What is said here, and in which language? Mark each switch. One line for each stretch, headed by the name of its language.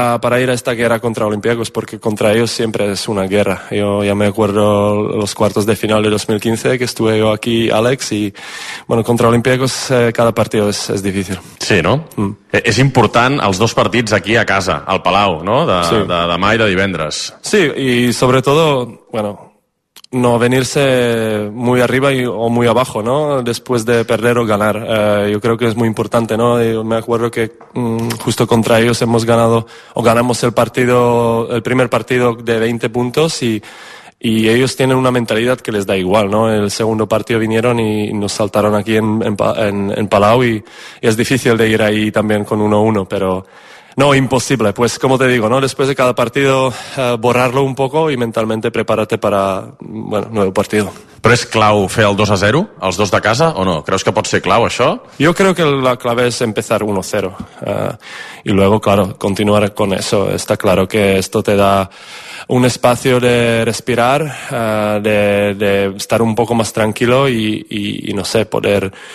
Spanish: Para ir a esta guerra contra Olympiacos, porque contra ellos siempre es una guerra. Yo ya me acuerdo los cuartos de final de 2015 que estuve yo aquí, Alex, y bueno, contra Olympiacos cada partido es difícil. Sí, ¿no? Mm.
Catalan: És important els dos partits aquí a casa, al Palau, ¿no? De demà i de divendres.
Spanish: Sí, y sobre todo, bueno... No venirse muy arriba o muy abajo, ¿no? Después de perder o ganar. Yo creo que es muy importante, ¿no? Yo me acuerdo que justo contra ellos hemos ganado o ganamos el primer partido de 20 puntos y ellos tienen una mentalidad que les da igual, ¿no? El segundo partido vinieron y nos saltaron aquí en Palau y es difícil de ir ahí también con 1-1, pero... No, imposible. Pues como te digo, ¿no? Después de cada partido, borrarlo un poco y mentalmente prepararte para, bueno, nuevo partido.
Catalan: Però és clau fer el 2-0, els dos de casa, o no? Creus que pot ser clau, això?
Spanish: Yo creo que la clave es empezar 1-0. Y luego, claro, continuar con eso. Está claro que esto te da un espacio de respirar, de estar un poco más tranquilo y no sé, poder...